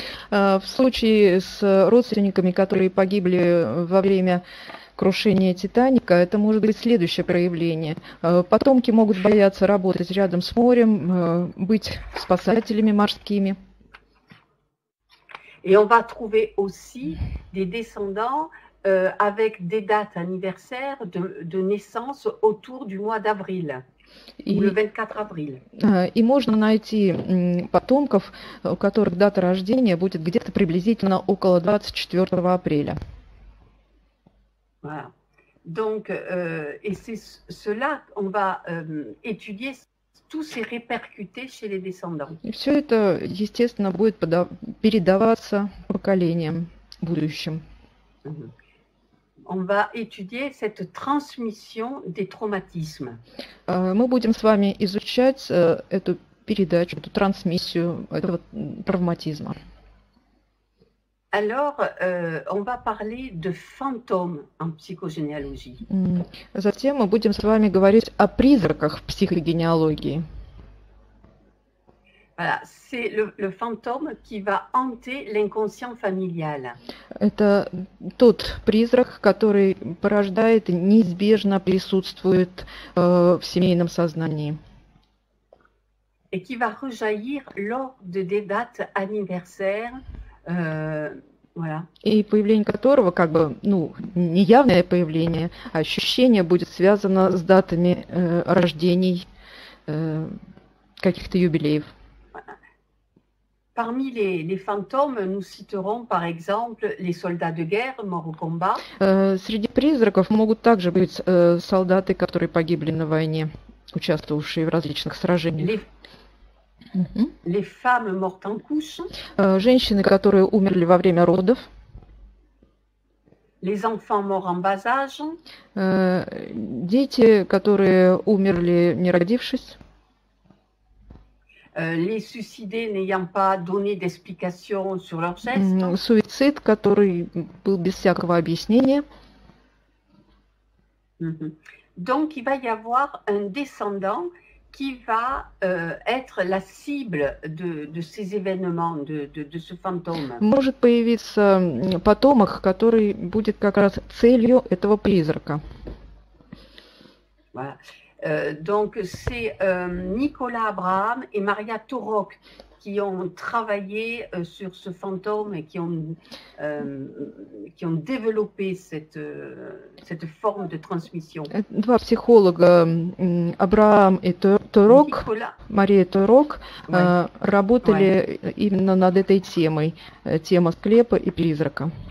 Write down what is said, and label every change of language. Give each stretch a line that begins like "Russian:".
Russian: В случае с родственниками, которые погибли во время крушения Титаника, это может быть следующее проявление. Потомки могут бояться работать рядом с морем, быть спасателями морскими.
French: Et on va trouver aussi des descendants avec des dates anniversaires de naissance autour du mois d'avril, ou le 24 avril.
Russian: И можно найти потомков, у которых дата рождения будет где-то приблизительно около 24 апреля.
French: Voilà. Donc, et c'est cela qu'on va étudier. Tout s'est répercuté chez les descendants.
Russian: И все это, естественно, будет передаваться поколениям будущим.
French: On va étudier cette transmission des traumatismes.
Russian: Мы будем с вами изучать эту передачу, эту трансмиссию этого травматизма.
French: Alors, on va parler de fantômes en psychogénéalogie.
Russian: Затем мы будем с вами говорить о призраках в психогенеалогии.
French: Voilà, c'est le fantôme qui va hanter l'inconscient familial.
Russian: Это тот призрак, который порождает, неизбежно присутствует в семейном сознании.
French: et qui va rejaillir lors de des dates anniversaires. Voilà.
Russian: И появление которого, как бы, ну, не явное появление, а ощущение будет связано с датами, рождений, каких-то юбилеев.
French: Parmi les fantômes, nous citerons par exemple les soldats de guerre morts au combat.
Russian: Среди призраков могут также быть солдаты, которые погибли на войне, участвовавшие в различных сражениях.
French: Les femmes mortes en couche,
Russian: Женщины, которые умерли во время родов,
French: les enfants morts en bas âge,
Russian: дети, которые умерли, не родившись,
French: les suicidés n'ayant пas donné d'explication sur leur geste,
Russian: суицид, который был без всякого объяснения.
French: Donc il va y avoir un descendant qui va être la cible de ces événements, de ce fantôme.
Russian: Может появиться потомок, который будет как раз целью этого призрака.
French: Voilà. Donc c'est Nicolas Abraham et Maria Torok qui ont travaillé sur ce fantôme et qui ont développé cette forme de transmission.
Russian: Два психолога, Абрам и Торок,
French: Nicolas.
Russian: Мария Торок,
French: Ouais. Ouais.
Russian: работали именно над этой темой, тема склепа и призрака.